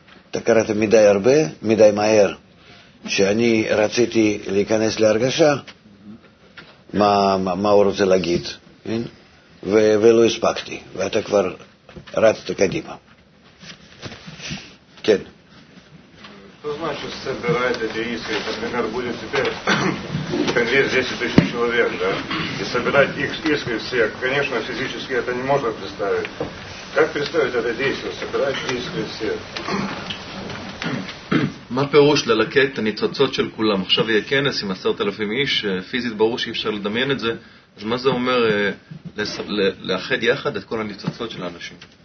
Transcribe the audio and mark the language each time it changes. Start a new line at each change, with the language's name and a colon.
Hebrew: אתה קראת מדי הרבה, מדי מהר, שאני רציתי להיכנס להרגשה, מה הוא רוצה להגיד, ולא הספקתי, ואתה כבר רצת קדימה. כן.
Russian: Значит, собирает эти искры, например, будет теперь конверт 10 тысяч человек, да, и собирать их искры всех, конечно, физически это не можно представить. Как представить это действие, собирать искры всех?
Hebrew: מה פירוש ללקט את הניצוצות של כולם? עכשיו יהיה כנס עם 10,000 איש, פיזית ברור שאי אפשר לדמיין את זה, אז מה זה אומר לאחד יחד את כל הניצוצות של האנשים?